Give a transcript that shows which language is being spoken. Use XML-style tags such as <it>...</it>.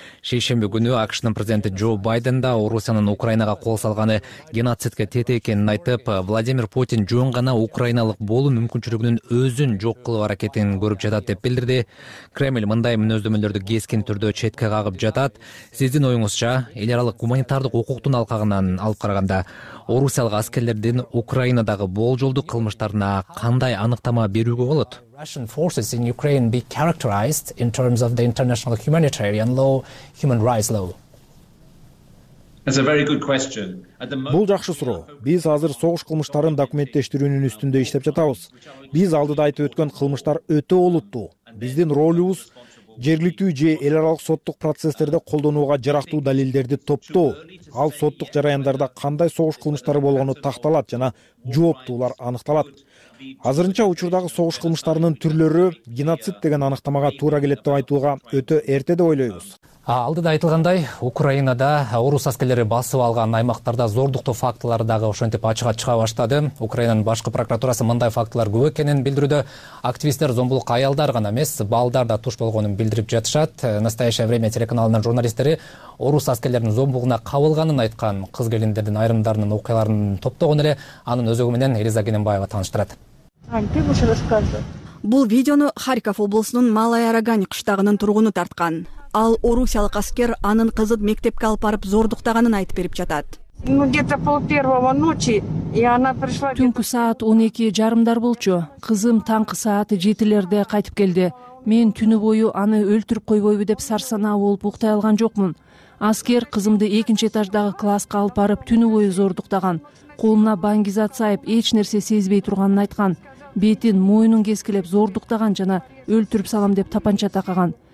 <ky>Шейшемби күнү АКШнын президенти Джо Байден да Орусиянын Украинага кол салганы геноцидке тети экенин айтып, Владимир Путин жөн гана украиналык болуу мүмкүнчүлүгүнүн өзүн жок кылуу аракетин көрүп жатат деп билдирди. Кремль мындай мүнөздөмөлөрдү кескин түрдө четке кагып жатат. Сиздин оюңузча, эл аралык гуманитардык укуктун алкагынан алып караганда орусиялык аскерлердин Украинадагы болжолдуу кылмыштарына кандай аныктама берүүгө болот?</ky> <en>Russian forces in Ukraine be characterized in terms of the international humanitarian law, human rights law. That's a very good question.</en> <ky>Бул жакшы суроо. Биз азыр согуш кылмыштарын документтештирүүнүн үстүндө иштеп жатабыз. Биз алдыда айтып өткөн кылмыштар өтө олуттуу. Биздин ролубуз жергиликтүү же эл аралык соттук процесстерде колдонууга жарактуу далилдерди топтоо, ал соттук жараяндарда кандай согуш кылмыштары болгону такталат жана жооптуулар аныкталат. Азырынча учурдагы согуш кылмыштарынын түрлөрү геноцид деген аныктамага туура келет деп айтууга өтө эрте деп ойлойбуз. Алдыда айтылгандай, Украинада орус аскерлери басып алган аймактарда зордуктоо фактылары дагы ошентип ачыга чыга баштады. Украинанын башкы прокуратурасы мындай фактылар көп экенин билдирүүдө. Активисттер зомбулукка аялдар гана эмес, балдар да туш болгонун билдирип жатышат. Настоящее время телеканалынын журналисттери орус аскерлеринин зомбулугуна кабылганын айткан кыз келиндердин айрымдарынын окуяларын топтогон эле анын өзөгү менен Элиза Кененбаева тааныштырат. Бул видеону Харьков облусунун Малая Арагань кыштагынын тургуну тарткан. Ал орусиялык аскер анын кызын мектепке алып барып зордуктаганын айтып берип жатат.</ky> <ru>Ну где-то полпервого ночи и она пришла.</ru> <ky>Түнкү саат 12:30 болчу. Кызым таңкы саат 7:00 кайтып келди. Мен түнү бою аны өлтүрүп койбойбу деп сарсанаа болуп уктай алган жокмун. Аскер кызымды 2-этаждагы класска алып барып түнү бою зордуктаган. Колуна бангизат сайып эч нерсе сезбей турганын айткан. Бетин, мойнун кескилеп зордуктаган жана өлтүрүп салам деп тапанча такаган.</ky>